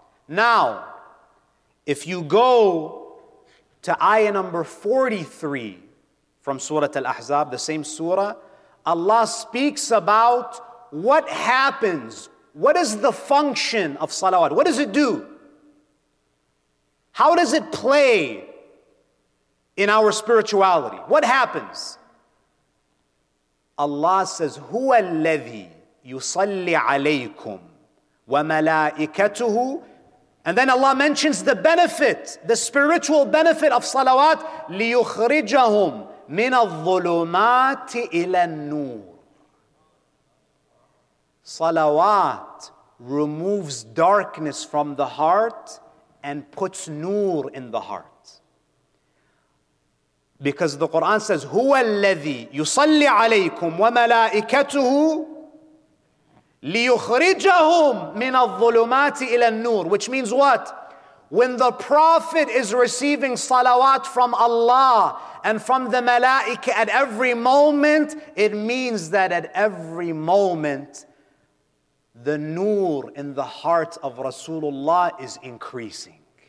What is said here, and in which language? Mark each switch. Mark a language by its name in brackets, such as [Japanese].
[English] Now, if you go to ayah number 43 from Surah Al-Ahzab, the same surah, Allah speaks about what happens. What is the function of salawat? What does it do? How does it play in our spirituality? What happens? Allah says, [Arabic] هُوَ الَّذِي يُصَلِّ عَلَيْكُمْ وَمَلَائِكَتُهُ. [English] And then Allah mentions the benefit, the spiritual benefit of salawat, [Arabic] لِيُخْرِجَهُمْ مِنَ الظُّلُمَاتِ إِلَى النُّورِ. [English] Salawat removes darkness from the heart and puts nur in the heart. Because the Quran says, [Arabic] هُوَ الَّذِي يُصَلِّ عَلَيْكُمْ وَمَلَائِكَتُهُ لِيُخْرِجَهُمْ مِنَ الظُّلُمَاتِ إِلَى النُّورِ. [English] Which means what? When the Prophet is receiving salawat from Allah and from the Malaika at every moment, it means that at every moment, the nur in the heart of Rasulullah is increasing.